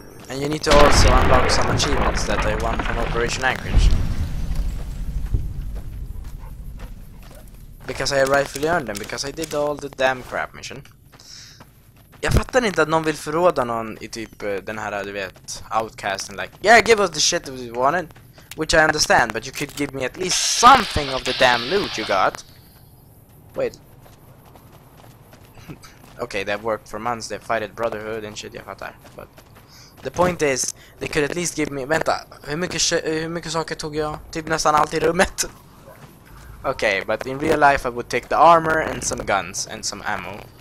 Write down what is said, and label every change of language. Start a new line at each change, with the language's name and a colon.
English: And you need to also unlock some achievements that I won from Operation Anchorage. Because I rightfully earned them, because I did all the damn crap mission.
Swedish: Jag fattar inte att någon vill förråda någon I typ den här, du vet, outcasten,
English: like, yeah, give us the shit we wanted. Which I understand, but you could give me at least something of the damn loot you got. Wait. Okay, they've worked for months, they've fighted Brotherhood and shit,
Swedish: jag fattar.
English: But the point is, they could at least give me...
Swedish: Vänta, hur mycket saker tog jag? Typ nästan allt I rummet.
English: Okay, but in real life I would take the armor and some guns and some ammo.